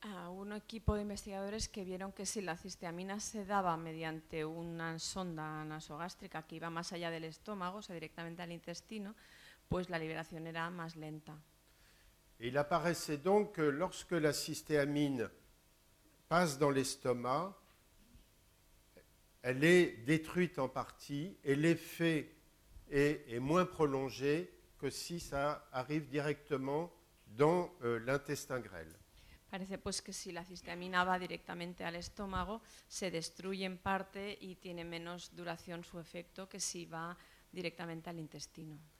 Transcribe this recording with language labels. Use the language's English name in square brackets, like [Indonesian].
[Spanish] Un equipo de investigadores que vieron que si la cisteamina se daba mediante una sonda nasogástrica que iba más allá del estómago, o sea, directamente al intestino, pues la liberación era más lenta. [French] Il apparaissait donc que lorsque la cystéamine passe dans l'estomac, elle est détruite en partie et l'effet est moins prolongé que si ça arrive directement dans l'intestin grêle. [Spanish] Parece pues que si la cisteamina va directamente al estómago, se destruye en parte y tiene menos duración su efecto que si va directamente al intestino.